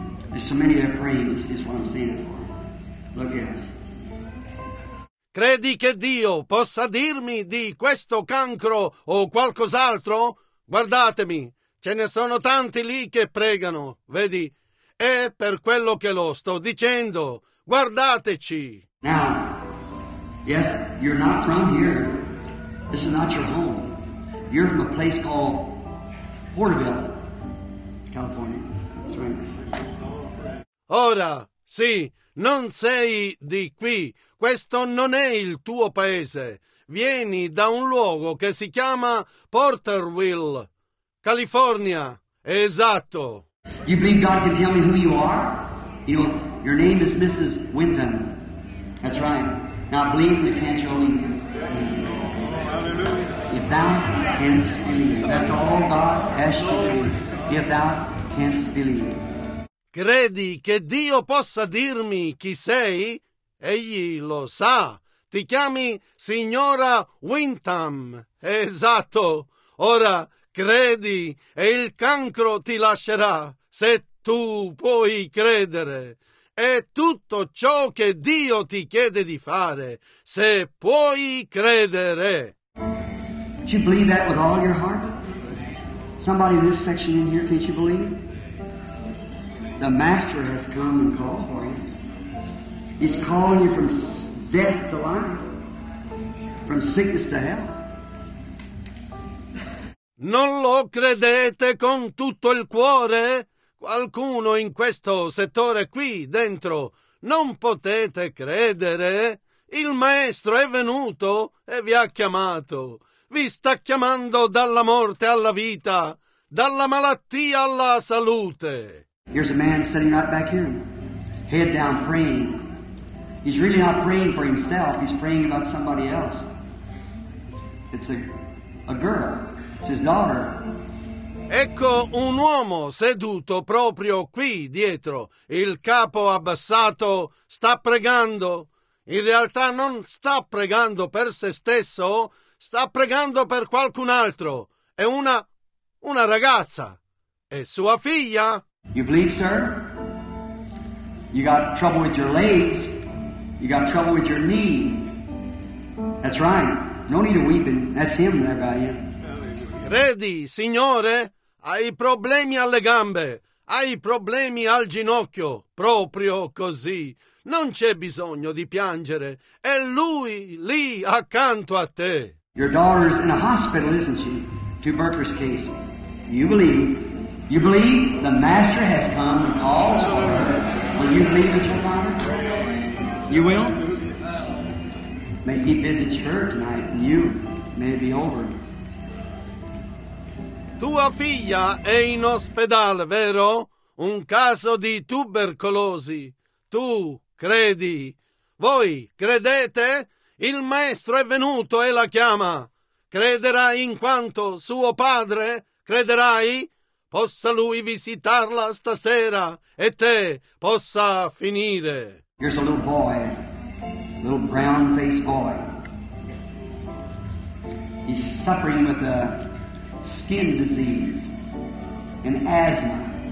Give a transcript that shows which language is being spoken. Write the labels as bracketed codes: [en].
[en] There's so many that are praying, this is what I'm saying it for. Look at us. [it] Credi che Dio possa dirmi di questo cancro o qualcos'altro? Guardatemi, ce ne sono tanti lì che pregano, vedi? È per quello che lo sto dicendo. Guardateci. [en] Now, yes, you're not from here. This is not your home. You're from a place called Porterville, California. That's right. [it] Ora, sì. Non sei di qui, questo non è il tuo paese. Vieni da un luogo che si chiama Porterville, California. Esatto. [en] You believe God can tell me who you are? Your name is Mrs. Winton. That's right. Now believe the cancer only. If thou canst believe. That's all God has to do. If thou canst believe. [it] Credi che Dio possa dirmi chi sei? Egli lo sa. Ti chiami signora Wintham. Esatto. Ora credi e il cancro ti lascerà, se tu puoi credere. è tutto ciò che Dio ti chiede di fare, se puoi credere. [en] Can you believe that with all your heart? Somebody in this section in here, can't you believe? The Master has come and called for you. He's calling you from death to life, from sickness to health. [it] Non lo credete con tutto il cuore? Qualcuno in questo settore qui dentro non potete credere? Il Maestro è venuto e vi ha chiamato. Vi sta chiamando dalla morte alla vita, dalla malattia alla salute. [en] Here's a man sitting right back here, head down praying. He's really not praying for himself, he's praying about somebody else. It's a girl. His daughter. [it] Ecco un uomo seduto proprio qui dietro, il capo abbassato, sta pregando. In realtà non sta pregando per se stesso, sta pregando per qualcun altro. È una ragazza. È sua figlia. [en] You believe, sir? You got trouble with your legs. You got trouble with your knee. That's right. No need of weeping. That's him there by you. [it] Credi, Signore, hai problemi alle gambe, hai problemi al ginocchio, proprio così. Non c'è bisogno di piangere, è lui lì accanto a te. [en] Your daughter's in a hospital, isn't she? Tuberculosis case. You believe? You believe the Master has come and calls for her? Will you believe this, Father? You will? May he visit her tonight, and you may it be over. [it] Tua figlia è in ospedale, vero? Un caso di tubercolosi. Tu credi? Voi credete? Il Maestro è venuto e la chiama. Crederai in quanto suo padre? Crederai? Possa lui visitarla stasera e te possa finire. [en] Here's a little boy, a little brown-faced boy. He's suffering with a skin disease and asthma.